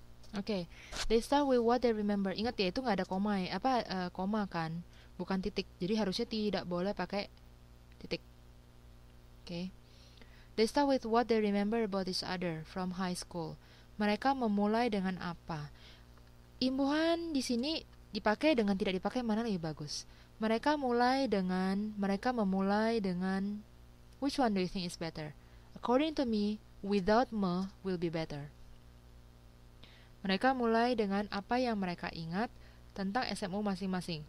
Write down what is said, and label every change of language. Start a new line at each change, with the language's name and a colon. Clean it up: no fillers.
English: Okay, they start with what they remember.
Indonesian: Ingat ya, itu nggak ada koma ya. Apa koma kan, bukan titik. Jadi harusnya tidak boleh pakai titik.
English: Okay, they start with what they remember about each other from high school.
Indonesian: Mereka memulai dengan apa? Imbuhan di sini dipakai dengan tidak dipakai mana lebih bagus? Mereka memulai dengan
English: which one do you think is better? According to me, without me will be better.
Indonesian: Mereka mulai dengan apa yang mereka ingat tentang SMU masing-masing.